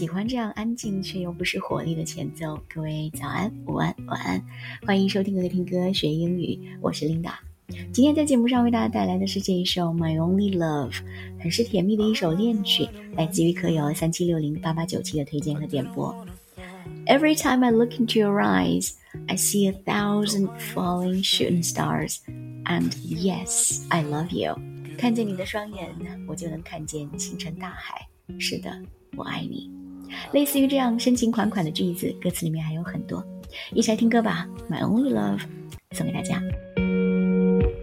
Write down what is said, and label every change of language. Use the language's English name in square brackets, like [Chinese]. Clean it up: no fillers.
[Chinese] 样安静却又不失活力的前奏。各位早安、午安、晚安，欢迎收听格雷听歌学英语，我是 Linda。今天在节目上为大家带来的是这一首 My Only Love， 很是甜蜜的一首恋曲，来自于客友37608897的推荐和点播。 [English] Every time I look into your eyes I see a thousand falling shooting starsAnd yes, I love you. [Chinese] 看见你的双眼，我就能看见星辰大海。是的，我爱你。类似于这样深情款款的句子，歌词里面还有很多。一起来听歌吧 ，My Only Love， 送给大家。